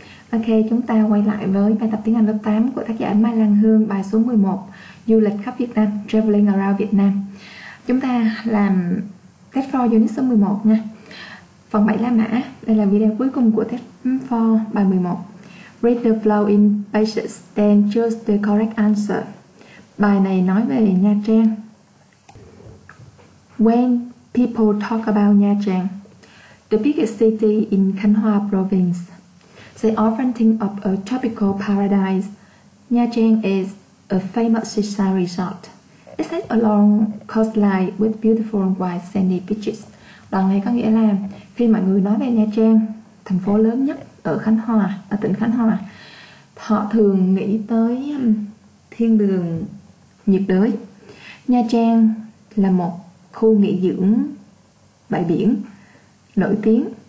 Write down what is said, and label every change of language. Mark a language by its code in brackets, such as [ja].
[vi] Ok, chúng ta quay lại với bài tập tiếng Anh lớp 8 của tác giả Mai Lan Hương, bài số 11, Du lịch khắp Việt Nam, [en] Traveling Around Việt Nam. [vi] Chúng ta làm test 4 unit số 11 nha. Phần 7 La Mã, đây là video cuối cùng của test 4, bài 11. [en] Read the flow in pages, then choose the correct answer. [vi] Bài này nói về Nha Trang. [en] When people talk about Nha Trang, the biggest city in Khánh Hòa province, they often think of a tropical paradise. Nha Trang is a famous seaside resort. It sits along coastline with beautiful white sandy beaches. [vi] Đoạn này có nghĩa là khi mọi người nói về Nha Trang, thành phố lớn nhất ở Khánh Hòa, ở tỉnh Khánh Hòa, họ thường nghĩ tới thiên đường nhiệt đới. Nha Trang là một khu nghỉ dưỡng bãi biển nổi tiếng.